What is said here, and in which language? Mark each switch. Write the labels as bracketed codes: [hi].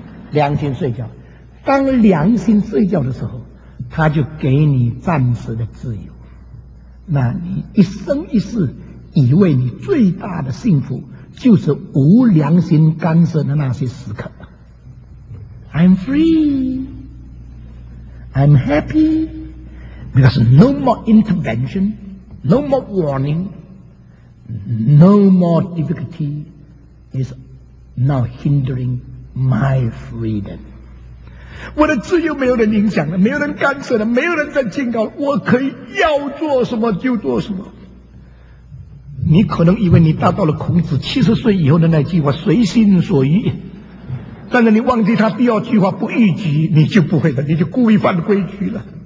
[zh] 良心睡觉，当良心睡觉的时候，他就给你暂时的自由，那你一生一世以为你最大的幸福就是无良心干涉的那些时刻。 [en] I'm free, I'm happy, because no more intervention, no more warning, no more difficulty is now hindering my freedom. [zh] 我的自由没有人影响了，没有人干涉了，没有人在警告，我可以要做什么就做什么。你可能以为你达到了孔子70岁以后的那句话随心所欲，但是你忘记他第二句话不逾矩，你就不会的，你就故意犯规矩了。